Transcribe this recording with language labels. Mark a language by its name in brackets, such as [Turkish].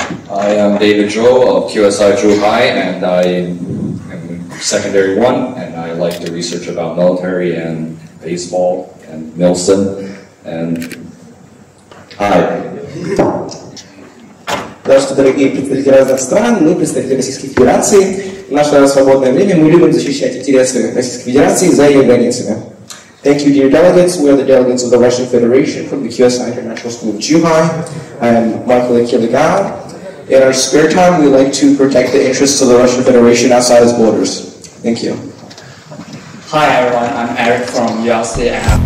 [English] I am David Zhou of QSI Zhuhai, and I am secondary one, and I like to research about military and baseball and Nelson. And hi. [Russian] Здравствуйте, дорогие представители разных стран. Мы представители Российской Федерации. В наше свободное время мы любим защищать интересы Российской Федерации за ее границами. [English] Thank you, dear delegates. We are the delegates of the Russian Federation from the QSI International School of Zhuhai. I am Michael Akilagad. In our spare time, we like to protect the interests of the Russian Federation outside its borders. Thank you. Hi, everyone. I'm Eric from USA.